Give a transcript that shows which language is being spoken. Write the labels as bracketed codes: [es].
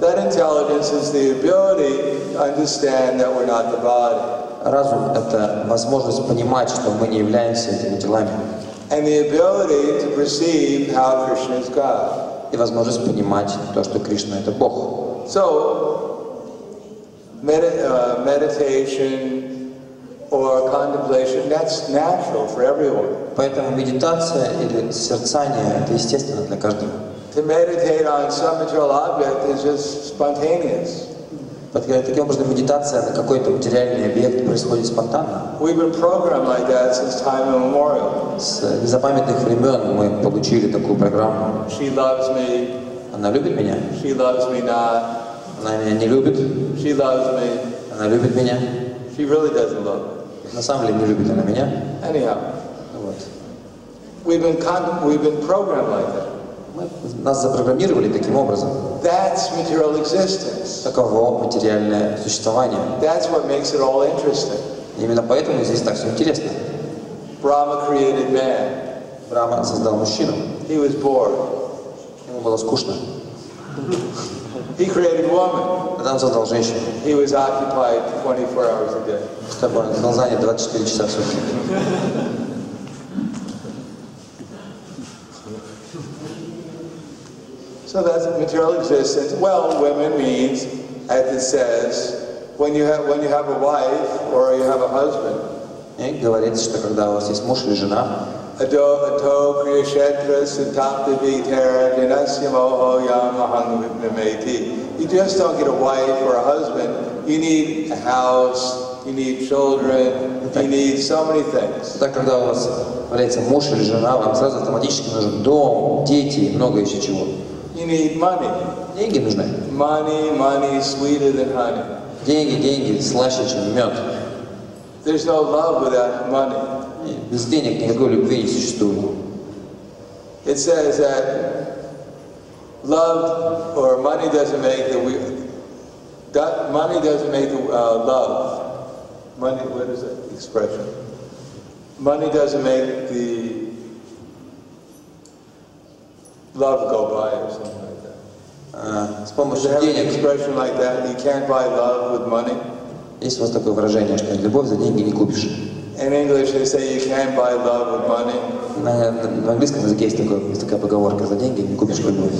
[en] That intelligence is the ability to understand that we're not the body. [ru] Разум — это возможность понимать, что мы не являемся этими телами. [en] And the ability to perceive how Krishna is God. [ru] И возможность понимать то, что Кришна — это Бог. [en] So, meditation, or contemplation, that's natural for everyone. [ru] Поэтому медитация или созерцание — это естественно для каждого. [en] To meditate on some material object is just spontaneous. [ru] Таким образом, медитация на какой-то материальный объект происходит спонтанно. [en] We've been programmed like that since time immemorial. [ru] С незапамятных времен мы получили такую программу. [en] She loves me. [ru] Она любит меня. [en] She loves me not. [ru] Она меня не любит. [en] She loves me. [ru] Она любит меня. [en] She really doesn't love me. [ru] На самом деле не любит она меня. [en] Anyhow. [ru] Вот. [en] We've been programmed like that. [ru] Нас запрограммировали таким образом. [en] That's material existence. [ru] Таково материальное существование. [en] That's what makes it all interesting. [ru] Именно поэтому здесь так все интересно. [en] Brahma created man. [ru] Брахма создал мужчину. [en] He was bored. [ru] Ему было скучно. [en] He created woman. [ru] Тогда он создал женщину. [en] He was occupied 24 hours a day. [ru] Чтобы он был занят 24 часа в сутки. [en] So that's material existence. Well, women means, as it says, when you have a wife or you have a husband. [ru] И говорится, что когда у вас есть муж или жена. [sa] Ato ato kriyashetra sattavi tera dinasya moho yam ahangamiti. [en] You just don't get a wife or a husband. You need a house. You need children. You need so many things. [ru] Так когда у вас появляется муж или жена, вам сразу автоматически нужен дом, дети, много еще чего. [en] You need money. [ru] Деньги нужны. [en] Money sweeter than honey. [ru] Деньги слаще, чем мед. [en] There's no love without money. [ru] Без денег никакой любви не существует. [en] It says that love or money doesn't make the we. That money doesn't make the love. Money, what is that expression? Money doesn't make the love go by or something like that. [ru] С помощью денег. [en] Expression like that, you can't buy love with money. [ru] Есть у вас такое выражение, что любовь за деньги не купишь. [en] In English they say you can't buy love with money. [ru] На английском языке есть такая поговорка: за деньги не купишь любовь.